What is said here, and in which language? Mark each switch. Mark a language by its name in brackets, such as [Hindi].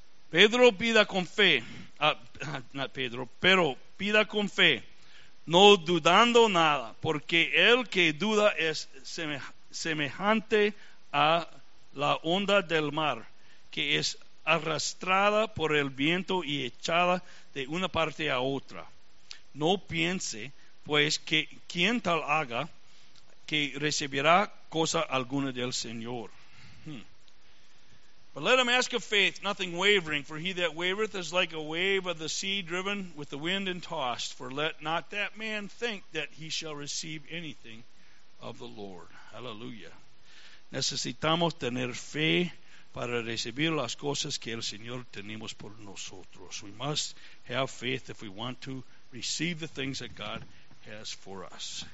[Spanish] Pedro pida con fe, [English] not Pedro, [Spanish] pero pida con fe, no dudando nada, porque el que duda es semejante a la onda del mar, que es arrastrada por el viento y echada de una parte a otra. No piense, pues, que quien tal haga, que recibirá cosa alguna del Señor. [English] But let him ask of faith, nothing wavering, for he that wavereth is like a wave of the sea driven with the wind and tossed. For let not that man think that he shall receive anything of the Lord. Hallelujah. [Spanish] Necesitamos tener fe para recibir las cosas que el Señor tenemos por nosotros. [English] We must have faith if we want to receive the things that God has for us.